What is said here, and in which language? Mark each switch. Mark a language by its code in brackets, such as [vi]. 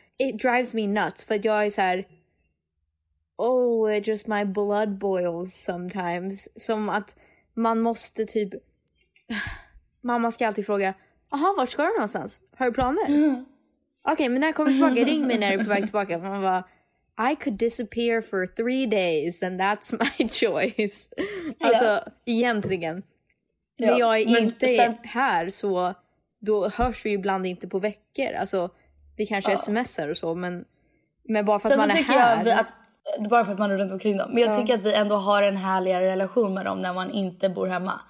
[en] It drives me nuts, [sv] för jag är så här, [en] oh, just my blood boils sometimes. [sv] Som att man måste typ, mamma ska alltid fråga, aha, vart ska du någonstans? Har du planer? Okej, men när jag kommer tillbaka, ring mig när du är på väg tillbaka. Man bara, [en] I could disappear for 3 days and that's my choice. [sv] Alltså, egentligen. Ja. Men jag är inte här, så då hörs vi ibland inte på veckor. Alltså, vi kanske smsar och så, men bara för att man är här... Bara för att man är runt omkring dem. Men jag tycker att vi ändå har en härligare relation med dem när man inte bor hemma.